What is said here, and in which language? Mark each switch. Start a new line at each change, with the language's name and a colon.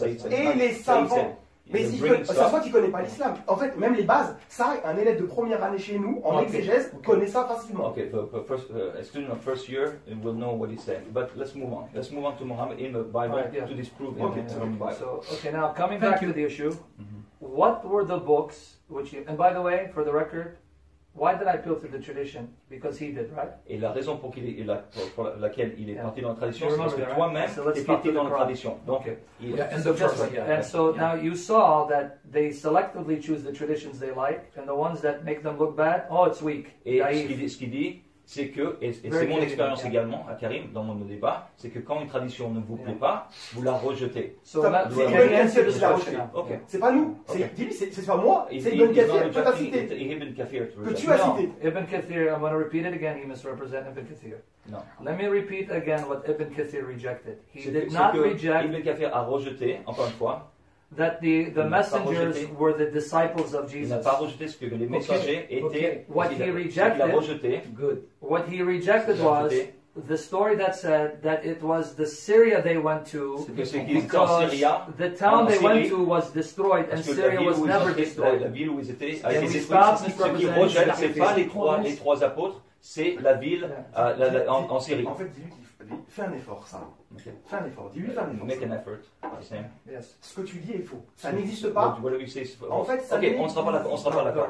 French: Et les savants, mais ça se voit qu'ils connaissent pas l'islam. En fait, même les bases, ça, un élève de première année chez nous en exégèse connaît ça facilement.
English: Okay, a student of first year will know what he said. But let's move on. Let's move on to Muhammad in the Bible to disprove it in the Bible. So, okay, now coming back to the issue, what were the books which? And by the way, for the record. Why did I appeal to the tradition? Because he did, right?
French: Et la raison pour laquelle il est parti dans la tradition, c'est parce que toi-même es parti dans la tradition. Donc,
English: Now you saw that they selectively choose the traditions they like, and the ones that make them look bad, oh, it's weak.
French: Et ce qu'il dit, c'est que, et c'est mon expérience également à Karim dans mon débat, c'est que quand une tradition ne vous plaît pas, vous la rejetez. C'est pas moi, c'est Ibn Kathir que tu as cité.
English: I'm going to repeat it again. He misrepresented Ibn Kathir. No. Let me repeat again what Ibn Kathir rejected. He did not reject.
French: Ibn Kathir a rejeté encore une fois.
English: That the messengers were the disciples of Jesus.
French: Il n'a pas rejeté ce que les messagers étaient.
English: What he rejected was the story that said that it was the Syria they went to because the town they went to was destroyed and Syria was never destroyed.
French: La ville où ils étaient. Ce qui rejette, c'est pas les trois apôtres, c'est la ville en Syrie. En fait, fais un effort, ça. Okay. Fais un effort. Dis-lui, fais un effort.
English: Make an effort. Same.
French: Yes. Ce que tu dis est faux. Ça n'existe pas.
English: What you say is false.
French: En fait, ok, on ne sera pas d'accord.